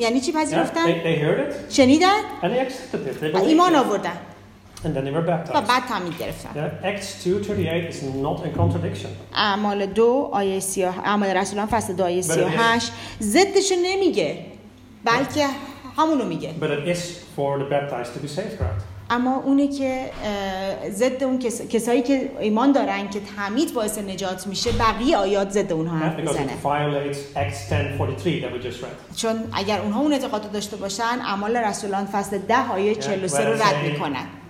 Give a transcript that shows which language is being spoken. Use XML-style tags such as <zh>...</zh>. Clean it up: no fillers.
<fa>یعنی چی پذیرفتند؟</fa> <en>Yeah, they heard it.</en> <fa>شنیدند.</fa> <en>And they accepted it. They believed.</en> <fa>ایمان آوردند.</fa> <en>And then they were baptized.</en> <fa>و بعد تعمید گرفتند.</fa> <en>Yeah, Acts 2:38 is not a contradiction.</en> <fa>اعمال 2 آیه 38، اعمال رسولان فصل 2 آیه 38 ضدش نمیگه. بلکه همونو میگه.</fa> <en>But it is for the baptized to be saved, right?</en> <fa>اما اونه که ضد اون کسایی که ایمان دارن که تعمید باعث نجات میشه بقیه آیات ضد اونها هم میزنه. چون اگر اونها اون اعتقاد داشته باشن اعمال رسولان فصل 10 آیه 43 رو رد میکنن.</fa>